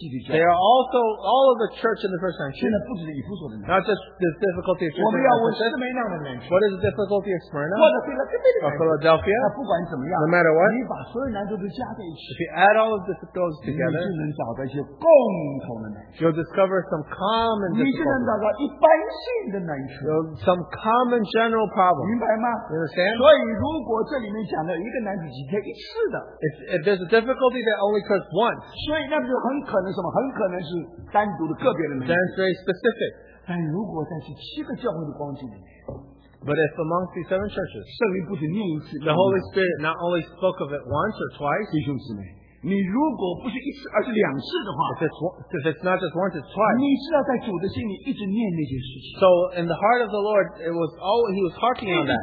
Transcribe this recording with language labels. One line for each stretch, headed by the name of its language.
English: they are also all of the church in the first century, not just the difficulty of church, what is the difficulty of Smyrna or Philadelphia, no matter what, if you add all of this goes together, you'll discover some common difficulties, some common general problems.
Chinese: 明白吗?
English: You understand?
Chinese: 所以如果这里面讲的一个难题几天一次的,
English: if there's a difficulty that only occurs once,
Chinese: 所以那就很可能是单独的个别的难题,
English: that's very specific.
Chinese: 但如果在七个教会的光景里面,
English: but if amongst these seven churches,
Chinese: 圣灵不止念一次,
English: the Holy Spirit not only spoke of it once or twice,
Chinese: 弟兄姊妹, 你如果不是一次而是两次的话,
English: if it's not just once, it's twice,
Chinese: 你知道在主的心里一直念那件事情,
English: so in the heart of the Lord, it was always, he was harking on that,